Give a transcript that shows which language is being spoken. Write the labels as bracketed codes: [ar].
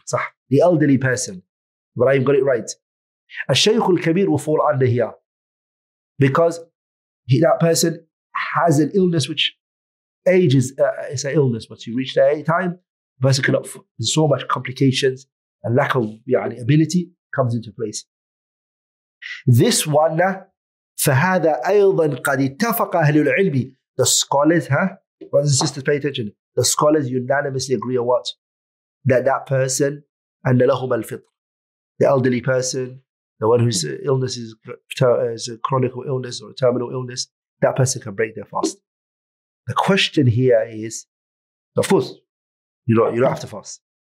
[en] Sah, the elderly person. Ibrahim got it right. Al-shaykh al-kabir will fall under here. Because that person has an illness which age is an illness. Once you reach that time, the person cannot, so much complications and lack of ability comes into place. This one, [ar] فهذا أيضا قد اتفق أهل العلم. [en] The scholars, brothers and sisters, pay attention. The scholars unanimously agree on what? That person, [ar] أن لهم الفطر. [en] The elderly person, the one whose illness is a chronic illness or a terminal illness, that person can break their fast. The question here is, of course, you don't have to fast.